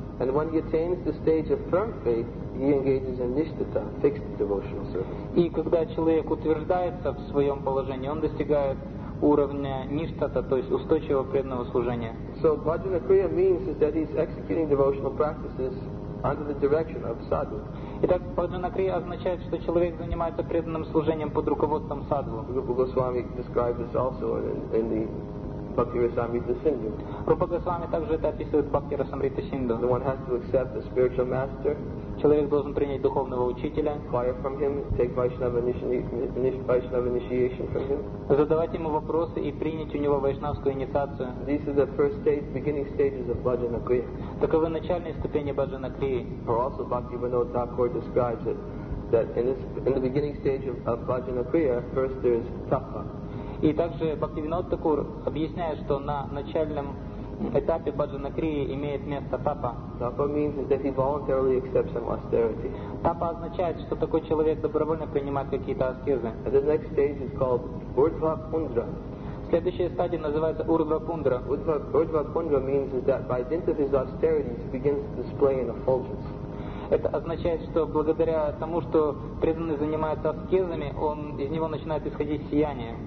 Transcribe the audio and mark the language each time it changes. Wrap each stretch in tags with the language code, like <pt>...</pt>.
<en>And when he attains the stage of firm faith, he engages in nishtata, fixed devotional service.</en> <ru>И когда человек утверждается в своем положении, он достигает уровня ништата, то есть устойчивого преданного служения.</ru> <en>So bhajana kriya means is that he's executing devotional practices under the direction of sadhu.</en> <ru>Итак, bhajana kriya означает, что человек занимается преданным служением под руководством садху.</ru> <en>Rupa Goswami described this also in the Bhakti-rasamrita sindhu.</en> <ru>Rupa Goswami также это описывает в Bhakti-rasamrita sindhu.</ru> <en>The one has to accept the spiritual master.</en> <ru>Человек должен принять духовного учителя.</ru> <en>Inquire from him, take Vaishnava initiation from him.</en> <ru>Задавать ему вопросы и принять у него вайшнавскую инициацию.</ru> <en>These are the first stage, beginning stages of bhajana kriya.</en> <ru>Таковы начальные ступени bhajana kriya.</ru> <en>Or also Bhaktivinoda Thakur describes it, that in the beginning stage of bhajana kriya, first there is tapa.</en> <ru>И также Бхактивинода Такур объясняет, что на начальном этапе bhajana kriya имеет место тапа.</ru> <en>Tapa means that he voluntarily accepts some austerity.</en> <ru>Тапа означает, что такой человек добровольно принимает какие-то аскезы.</ru> <en>The next stage is called Urdhva Pundra.</en> <ru>Следующая стадия называется Urdhva Pundra.</ru> <en>Urdhva Pundra means that by dint of his austerity he begins to display an effulgence.</en> <ru>Это означает, что благодаря тому, что преданный занимается аскезами, он из него начинает исходить сияние.</ru>